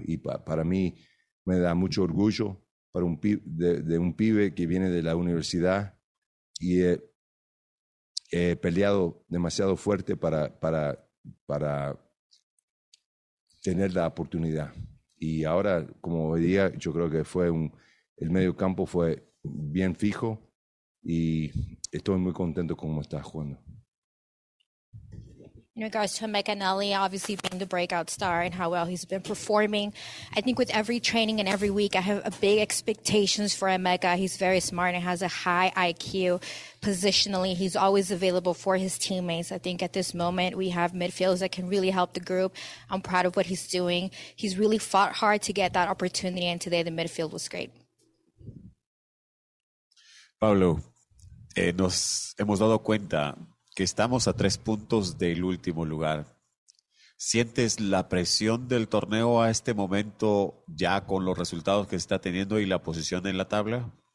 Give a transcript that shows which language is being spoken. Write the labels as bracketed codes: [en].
[es] Y para mí me da mucho orgullo para un de un pibe que viene de la universidad y he peleado demasiado fuerte para tener la oportunidad. Y ahora, como hoy día, yo creo que el medio campo fue bien fijo y estoy muy contento con cómo está jugando. [en] In regards to Meccanelli, obviously being the breakout star and how well he's been performing, I think with every training and every week, I have a big expectations for Emeka. He's very smart and has a high IQ. Positionally, he's always available for his teammates. I think at this moment, we have midfielders that can really help the group. I'm proud of what he's doing. He's really fought hard to get that opportunity, and today the midfield was great. [es] Pablo, nos hemos dado cuenta que estamos a 3 puntos del último lugar. ¿Sientes la presión del torneo a este momento ya con los resultados que está teniendo y la posición en la tabla?